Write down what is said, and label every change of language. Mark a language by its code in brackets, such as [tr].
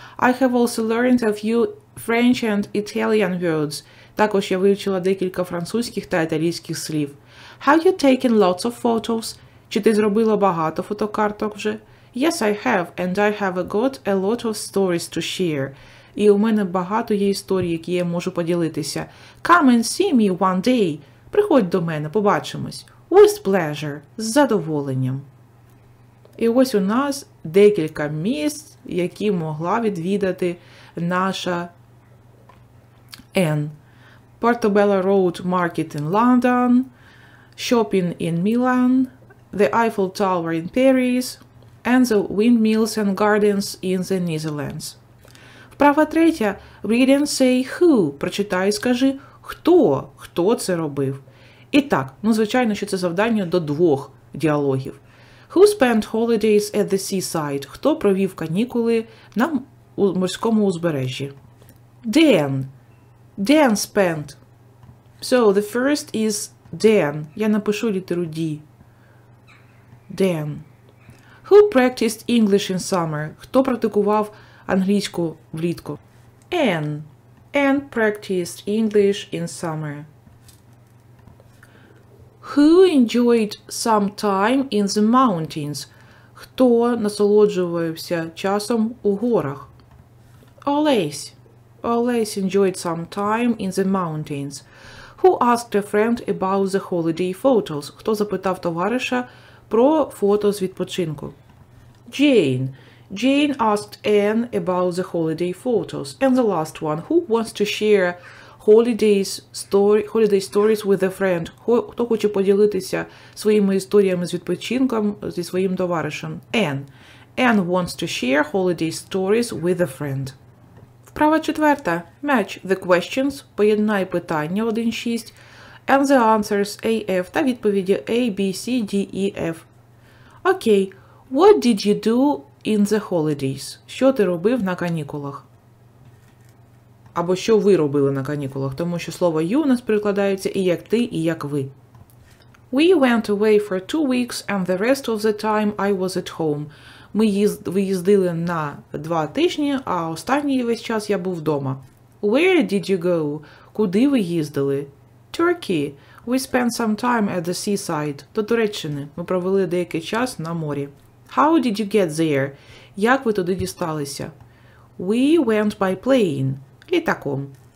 [en] I have also learned a few French and Italian words. [uk] Також я вивчила декілька французьких та італійських слів. [en] Have you taken lots of photos? [uk] Чи ти зробила багато фотокарток вже? [en] Yes, I have, and I have got a lot of stories to share. [uk] І у мене багато є історій, які я можу поділитися. [en] Come and see me one day. [uk] Приходь до мене, побачимось. [en] With pleasure. [uk] З задоволенням. І ось у нас декілька місць, які могла відвідати наша Ен. [en] Portobello Road Market in London, Shopping in Milan, The Eiffel Tower in Paris, and the Windmills and Gardens in the Netherlands. [uk] Вправа третя. [en] Read and say who. [uk] Прочитай і скажи, хто, хто це робив. І так, ну звичайно, що це завдання до двох діалогів. [en] Who spent holidays at the seaside? [uk] Хто провів канікули на морському узбережжі? [en] Dan. Dan spent. So, the first is Dan. [uk] Я напишу літеру D. Dan. [en] Who practiced English in summer? [uk] Хто практикував англійську влітку? [en] Ann. Ann practiced English in summer. Who enjoyed some time in the mountains? [uk] Хто насолоджувався часом у горах? [en] Олесь. Олесь enjoyed some time in the mountains. Who asked a friend about the holiday photos? [uk] Хто запитав товариша про фото з відпочинку? [en] Jane. Jane asked Anne about the holiday photos. And the last one. Who wants to share holiday stories with a friend? [uk] Хто хоче поділитися своїми історіями з відпочинком зі своїм товаришем? [en] Anne. Anne wants to share holiday stories with a friend. [uk] Вправа четверта. [en] Match the questions. [uk] Поєднай питання 1-6. [en] And the answers AF [uk] та відповіді A, B, C, D, E, F. Окей. [en] What did you do in the holidays? [uk] Що ти робив на канікулах? Або що ви робили на канікулах? Тому що слово you у нас перекладається і як ти, і як ви. [en] We went away for 2 weeks and the rest of the time I was at home. [uk] Ми виїздили на 2 тижні, а останній весь час я був вдома. [en] Where did you go? [uk] Куди ви їздили? [en] Turkey. We spent some time at the seaside. [uk] До Туреччини. Ми провели деякий час на морі. [en] How did you get there? [uk] Як ви туди дісталися? [en] We went by plane. [uk] Літаком.